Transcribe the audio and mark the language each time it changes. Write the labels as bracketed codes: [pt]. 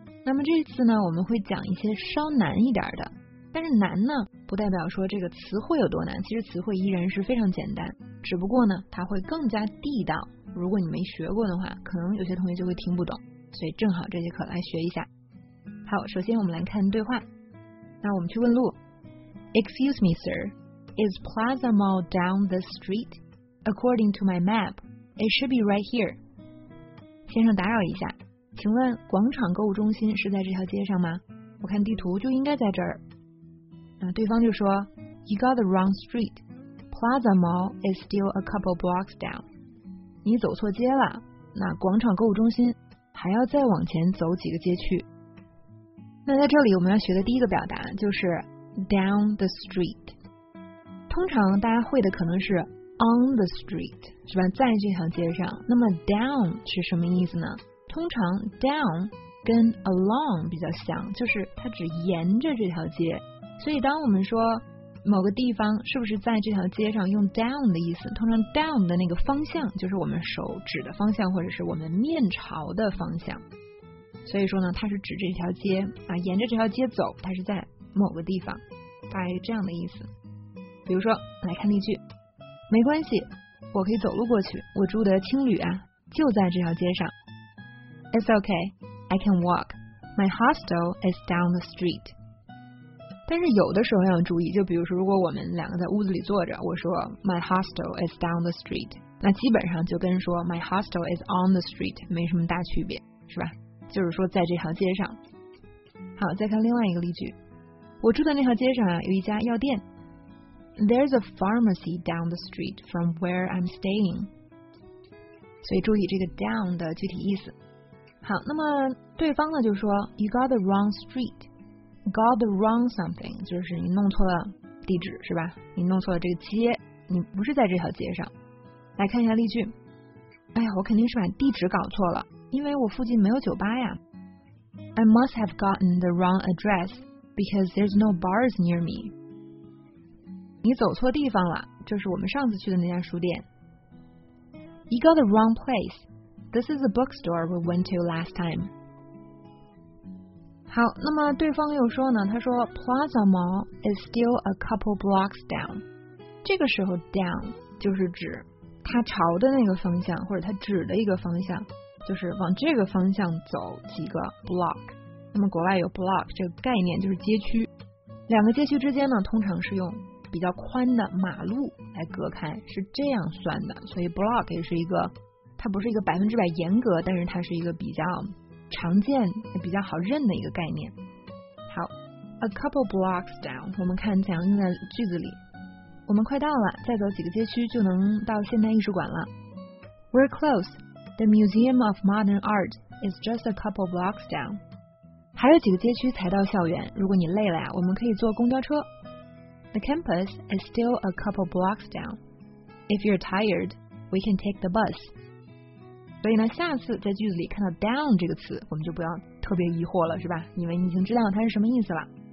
[zh] 那么这次呢，我们会讲一些稍难一点的，但是难呢，不代表说这个词汇有多难，其实词汇依然是非常简单，只不过呢，它会更加地道。如果你没学过的话，可能有些同学就会听不懂，所以正好这节课来学一下。好，首先我们来看对话。那我们去问路。 [en] Excuse me, sir, is Plaza Mall down the street? According to my map, it should be right here. [zh] 先生打扰一下，请问广场购物中心是在这条街上吗？我看地图就应该在这儿。那对方就说 [en] You got the wrong street. Plaza Mall is still a couple blocks down. [zh] 你走错街了，那广场购物中心还要再往前走几个街区。那在这里我们要学的第一个表达就是 [en] down the street， [zh] 通常大家会的可能是 [en] on the street， [zh] 是吧，在这条街上。那么 down 是什么意思呢？通常 down 跟 along 比较像，就是它只沿着这条街，所以当我们说某个地方是不是在这条街上，用 down 的意思，通常 down 的那个方向就是我们手指的方向，或者是我们面朝的方向。所以说呢，它是指这条街啊，沿着这条街走，它是在某个地方，大概是这样的意思。比如说来看例句，没关系，我可以走路过去，我住的青旅啊就在这条街上。 [en] It's okay, I can walk, my hostel is down the street. [zh] 但是有的时候要注意，就比如说如果我们两个在屋子里坐着，我说 [en] my hostel is down the street， [zh] 那基本上就跟说 [en] my hostel is on the street [zh] 没什么大区别，是吧，就是说在这条街上。好，再看另外一个例句，我住的那条街上啊有一家药店。 [en] There's a pharmacy down the street from where I'm staying. [zh] 所以注意这个 down 的具体意思。好，那么对方呢就说 [en] You got the wrong street. Got the wrong something [zh] 就是你弄错了地址，是吧，你弄错了这个街，你不是在这条街上。来看一下例句，哎呀，我肯定是把地址搞错了，因为我附近没有酒吧呀。 [en] I must have gotten the wrong address because there's no bars near me. [zh] 你走错地方了，就是我们上次去的那家书店。 [en] You got the wrong place. This is the bookstore we went to last time. [zh] 好，那么对方又说呢，他说 [en] Plaza Mall is still a couple blocks down. [zh] 这个时候 down 就是指他朝的那个方向，或者他指的一个方向，就是往这个方向走几个 block。那么国外有 block 这个概念，就是街区，两个街区之间呢通常是用比较宽的马路来隔开，是这样算的。所以 block 也是一个，它不是一个百分之百严格，但是它是一个比较常见比较好认的一个概念。好， [en] a couple blocks down [zh] 我们看怎样用在句子里。我们快到了，再走几个街区就能到现代艺术馆了。 [en] We're closeThe Museum of Modern Art is just a couple blocks down. [zh] 还有几个街区才到校园，如果你累了呀，我们可以坐公交车。 [en] The campus is still a couple blocks down. If you're tired, we can take the bus. [zh] 所以呢，下次在句子里看到 down 这个词，我们就不要特别疑惑了，是吧？因为你已经知道它是什么意思了。